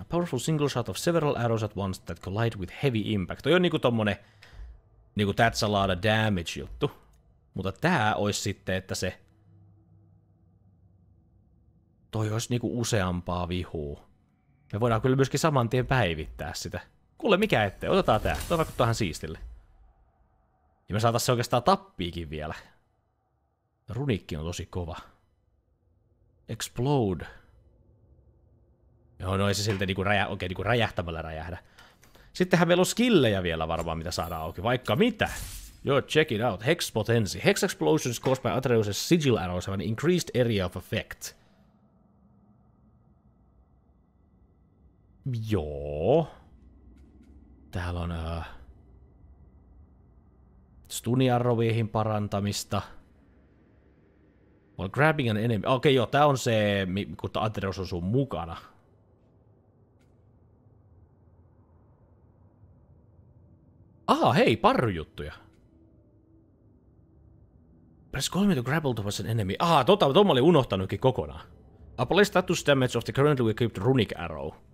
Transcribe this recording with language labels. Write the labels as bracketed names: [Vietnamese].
[English] A powerful single shot of several arrows at once that collide with heavy impact. [Finnish] Toi on niinku tommonen, niinku [English] that's a lot of damage [Finnish] juttu. Mutta tää ois sitten, että se... Toi ois niinku useampaa vihuu. Me voidaan kyllä myöskin saman tien päivittää sitä. Kuule, mikä ettei. Otetaan tää. Toi vaikuttaa ihan siistille. Ja me saatais se oikeastaan tappiikin vielä. Runikki on tosi kova. Explode. Joo, no ei se silti niinku räjähtämällä räjähdä. Sittenhän meillä on skillejä vielä varmaan, mitä saadaan auki. Vaikka mitä! Joo, [English] check it out. Hex potency. Hex explosions caused by Atreus' sigil arrows have an increased area of effect. [Finnish] Joo. Täällä on... Stuniarrowiehin parantamista. [English] While grabbing an enemy... [Finnish] Okei, joo, tää on se, kun Atreus on sun mukana. Aha, hei, parrujuttuja. [English] Press 3 to grapple towards an enemy. [Finnish] Aha, tuon olin unohtanutkin kokonaan. [English] Apply status damage of the currently equipped runic arrow.